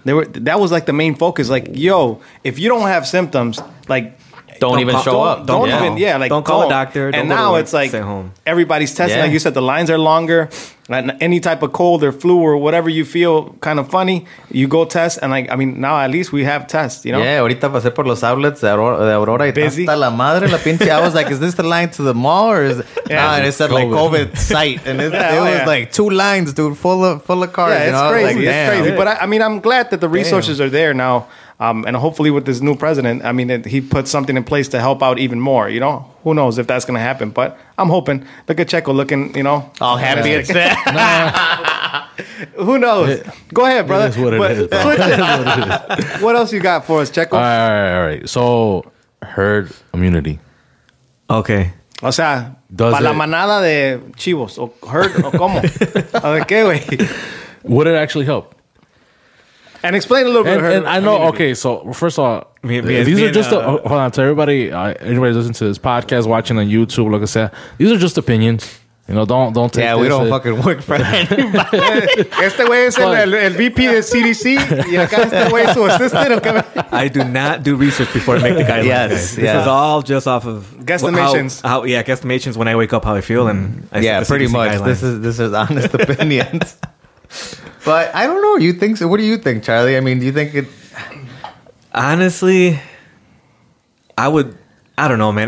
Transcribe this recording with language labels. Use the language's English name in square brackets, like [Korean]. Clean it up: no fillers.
[English] That was like the main focus. Like, yo, if you don't have symptoms, like, Don't even show up. Don't call a doctor. And now it's like everybody's testing. Yeah. Like you said, the lines are longer. Like any type of cold or flu or whatever you feel kind of funny, you go test. And like, I mean, now at least we have tests, you know? [Spanish] Yeah, ahorita pasé por los outlets de Aurora. Busy. Hasta la madre, la pinche. [English] I was like, is this the line to the mall? Or is it? Yeah. Nah, and it said like COVID site. And it was like two lines, dude, full of cars. Yeah, you know? It's crazy. it's crazy. But I mean, I'm glad that the resources are there now. And hopefully with this new president, I mean, he puts something in place to help out even more. You know, who knows if that's going to happen, but I'm hoping. Look at Checo looking, you know. All happy it's there. Who knows? Go ahead, brother. It is what it is, bro. What else you got for us, Checo? All right. So, herd immunity. Okay. [Spanish] O sea, para la manada de chivos. O herd, o como. A ver, ¿qué, güey? [English] Would it actually help? And explain a little bit. And I know, okay, so first of all, hold on, to everybody, anybody listening to this podcast, watching on YouTube, like I said, these are just opinions. You know, don't take this. Yeah, we don't fucking work for anybody. [Spanish] Este güey es el VP de CDC, y acá este güey es su asistente. [English] I do not do research before I make the guidelines. this is all just off of guesstimations. Guesstimations when I wake up, how I feel, and pretty much. This is honest opinions. But I don't know. You think so? What do you think, Charlie? I mean, do you think it? Honestly, I would. I don't know, man.